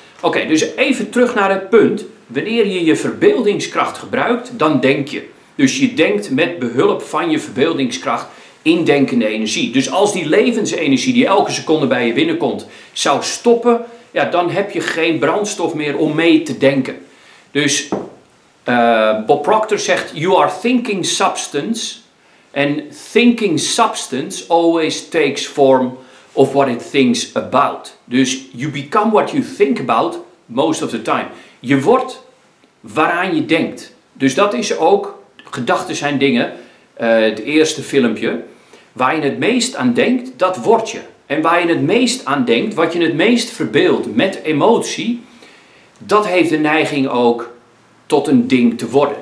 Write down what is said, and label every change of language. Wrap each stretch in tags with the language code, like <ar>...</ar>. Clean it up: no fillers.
<nl>Oké, dus even terug naar het punt. Wanneer je je verbeeldingskracht gebruikt, dan denk je. Dus je denkt met behulp van je verbeeldingskracht indenkende energie. Dus als die levensenergie die elke seconde bij je binnenkomt zou stoppen, ja, dan heb je geen brandstof meer om mee te denken. Dus Bob Proctor zegt,</nl> <en>you are thinking substance and thinking substance always takes form of what it thinks about. Dus you become what you think about most of the time.</en> <nl>Je wordt waaraan je denkt. Dus dat is ook, gedachten zijn dingen, het eerste filmpje. Waar je het meest aan denkt, dat word je. En waar je het meest aan denkt, wat je het meest verbeeldt met emotie, dat heeft de neiging ook tot een ding te worden.</nl>